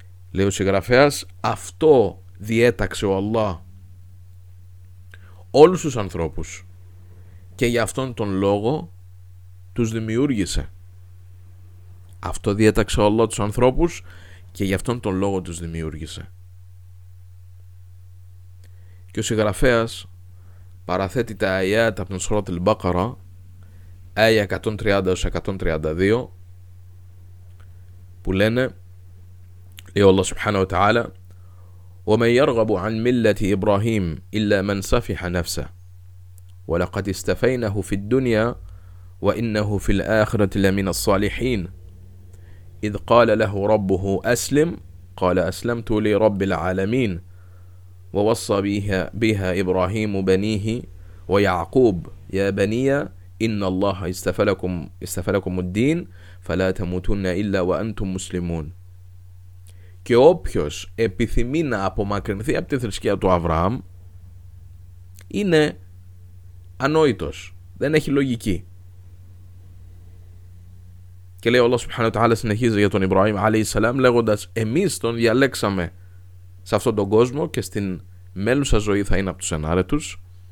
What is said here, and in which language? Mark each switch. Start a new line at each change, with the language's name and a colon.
Greek: Λέει ο συγγραφέας, αυτό διέταξε ο Αλλά όλους τους ανθρώπους και για αυτόν τον λόγο τους δημιούργησε. Αυτό διέταξε ο Αλλά τους ανθρώπους και για αυτόν τον λόγο τους δημιούργησε. Και ο συγγραφέας παραθέτει τα αιάτ από την Σούρα Τιλ Μπακαρα, αιά 130-132, που λένε, λέει ο Αλλά Σουμπχάναχου Τα'άλα,
Arabic: وَمَنْ يَرْغَبُ عَنْ مِلَّةِ إِبْرَاهِيمِ إِلَّا مَنْ سَفِحَ نَفْسَهُ وَلَقَدْ اسْتَفَيْنَهُ فِي الدُّنْيَا وَإِنَّهُ فِي الْآخِرَةِ لَمِنَ الصَّالِحِينَ إِذْ قَالَ لَهُ رَبُّهُ أَسْلِمْ قَالَ أَسْلَمْتُ لِرَبِّ الْعَالَمِينَ وَوَصَّى بِهَا إِبْرَاهِيمُ بَنِيهِ وَيَعْقُوبُ يَا بَنِيَّ إِنَّ اللَّهَ اصْطَفَى لَكُمُ الدِّينَ فَلَا تَمُوتُنَّ إِلَّا وَأَنْتُمْ مُسْلِمُونَ.
Greek: Και όποιος επιθυμεί να απομακρυνθεί από τη θρησκεία του Αβραάμ είναι ανόητος, δεν έχει λογική. Και λέει ο Αλλάχ Σουμπχάναχου Τα'άλα, συνεχίζει για τον Ιμπραήμ αλέιχις σαλάμ, λέγοντας, εμείς τον διαλέξαμε σε αυτόν τον κόσμο και στην μέλουσα ζωή θα είναι από τους ενάρετους.